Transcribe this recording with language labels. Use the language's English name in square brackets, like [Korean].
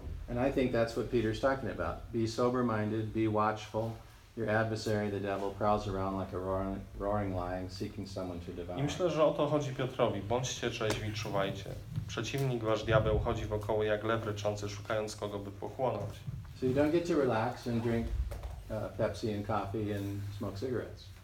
[English] And I think that's what Peter's talking about. Be sober-minded, be watchful. Your adversary, the devil, prowls around like a roaring lion, seeking someone to devour. [Polish] I myślę, że o to chodzi Piotrowi. Bądźcie trzeźwi, czuwajcie. Przeciwnik, wasz diabeł, chodzi wokoło jak lew ryczący, szukając kogo by pochłonąć. [English] So you don't get to relax and drink Pepsi and coffee and smoke cigarettes.